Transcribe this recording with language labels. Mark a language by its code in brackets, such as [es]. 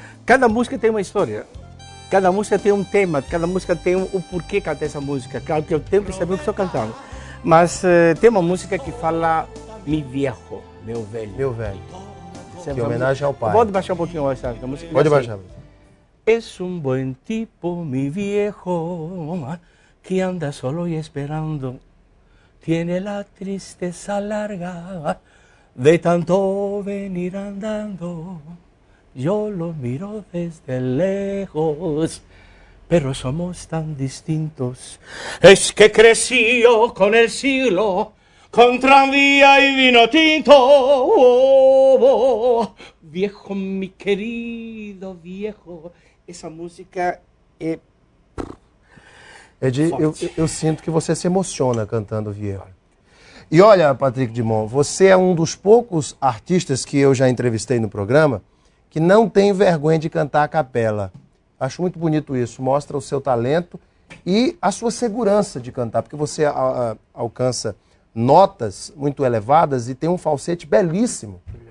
[pt] Cada música tem uma história. Cada música tem um tema. Cada música tem o porquê cantar essa música. Claro que eu tenho que saber o que estou cantando. Mas tem uma música que fala Mi Viejo, meu velho. Meu velho. Em homenagem ao pai. Pode baixar um pouquinho essa música? Pode baixar. Assim. [es] Es un buen tipo, mi viejo, que anda solo y esperando. Tiene la tristeza larga de tanto venir andando. Yo lo miro desde lejos, pero somos tan distintos. Es que crecí yo con el siglo, con tranvía y vino tinto. Oh, oh, viejo, mi querido viejo. [pt] Essa música é... É de... Eu sinto que você se emociona cantando Viejo. E olha, Patrick Dimon, você é um dos poucos artistas que eu já entrevistei no programa que não tem vergonha de cantar a capela. Acho muito bonito isso. Mostra o seu talento e a sua segurança de cantar, porque você alcança notas muito elevadas e tem um falsete belíssimo.